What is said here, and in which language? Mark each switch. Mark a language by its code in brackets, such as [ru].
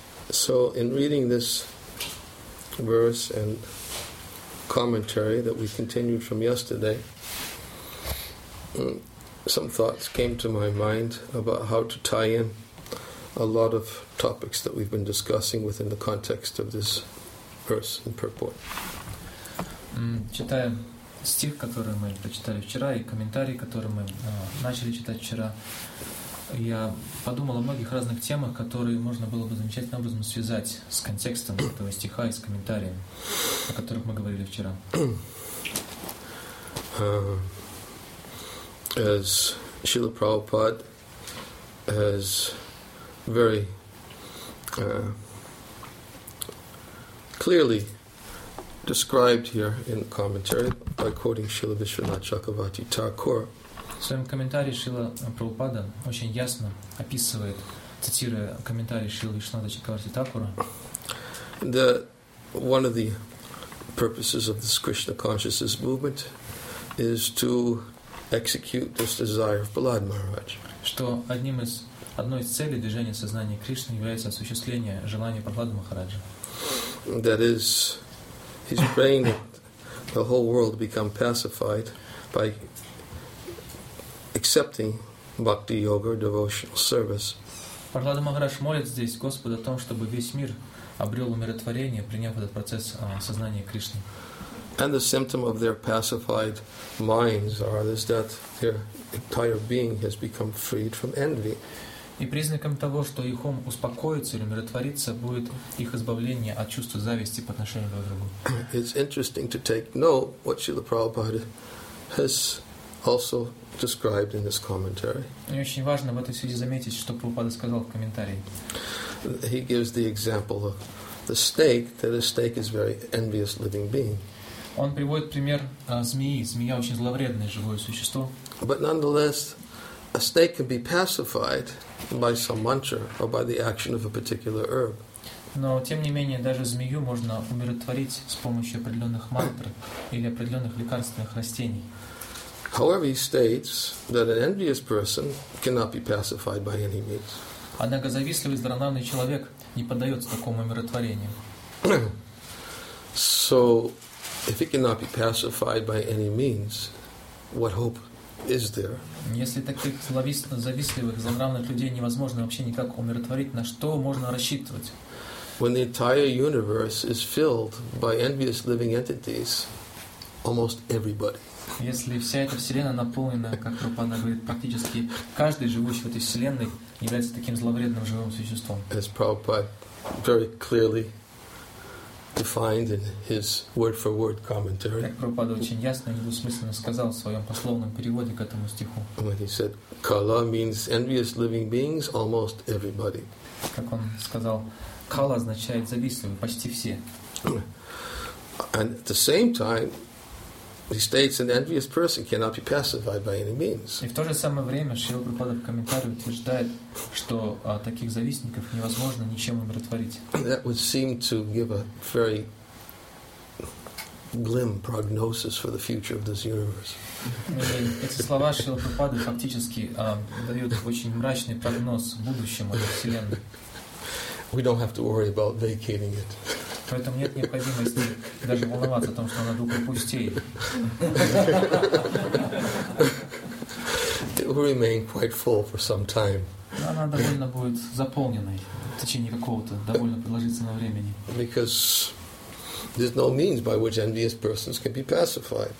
[en] So in reading this verse and commentary that we continued from yesterday, some thoughts came to my mind about how to tie in a lot of topics that we've been discussing within the context of this verse and purport. [ru] Читая стих, который мы прочитали вчера, и комментарий, который мы начали читать вчера, я подумал о многих разных темах, которые можно было бы замечательным образом связать с контекстом этого стиха и с комментарием, о которых мы говорили вчера. [en] As Srila Prabhupada has very clearly described here in the commentary by quoting Srila Vishwanatha Chakravarti Thakur. [ru] В своем комментарии Шрила Прабхупада очень ясно описывает, цитируя комментарий Шрилы Вишнуа Чакраварти Такура, [en] that one of the purposes of this Krishna consciousness movement is to execute this desire of Prahlad Maharaj. [ru] Что одной из целей движения сознания Кришны является осуществление желания Прахлады Махараджа. [en] That is, he's praying that the whole world become pacified by accepting bhakti yoga, devotional service. [ru] Прахлада Махарадж молит здесь Господа о том, чтобы весь мир обрел умиротворение, приняв этот процесс сознания Кришны. [en] And the symptom of their pacified minds are this, that their entire being has become freed from envy. [ru] И признаком того, что их ум успокоится или умиротворится, будет их избавление от чувства зависти по отношению друг к другу. [en] It's interesting to take note what Srila Prabhupada has also described in this commentary. [ru] И очень важно в этой связи заметить, что Прабхупада сказал в комментарии. [en] He gives the example of the snake, that a snake is a very envious living being. [ru] Он приводит пример змеи. Змея очень зловредное живое существо. [en] But nonetheless, a snake can be pacified by some mantra or by the action of a particular herb. [ru] Но тем не менее, даже змею можно умиротворить с помощью определенных мантр или определенных лекарственных растений. [en] However, he states that an envious person cannot be pacified by any means. [ru] Однако завистливый здравомыслящий человек не поддается такому умиротворению. [en] So, if he cannot be pacified by any means, what hope is there? [ru] Если таких завистливых, здравомыслящих людей невозможно вообще никак умиротворить, на что можно рассчитывать? [en] When the entire universe is filled by envious living entities, almost everybody. [ru] Если вся эта вселенная наполнена, как Прабхупада говорит, практически каждый живущий в этой вселенной является таким зловредным живым существом. [en] As Prabhupada very clearly defined in his word-for-word commentary. [ru] Как Прабхупада очень ясно и недвусмысленно сказал в своем пословном переводе к этому стиху. [en] When he said, "Kala means envious living beings, almost everybody." [ru] Как он сказал, "Kala означает завистливый, почти все." [en] And at the same time, He states an envious person cannot be pacified by any means. [ru] И в то же самое время Шрила Прабхупада в комментарии утверждает, что таких завистников невозможно ничем умиротворить. [en] That would seem to give a very glim prognosis for the future of this universe. [ru] Эти слова Шрила Прабхупады фактически дают очень мрачный прогноз будущему этой вселенной. [en] We don't have to worry about vacating it. [ru] Поэтому нет необходимости даже волноваться о том, что она вдруг упустеет. [en] It will remain quite full for some time. [ru] Она довольно будет заполненной в течение какого-то довольно продолжительного времени. [en] Because there's no means by which envious persons can be pacified.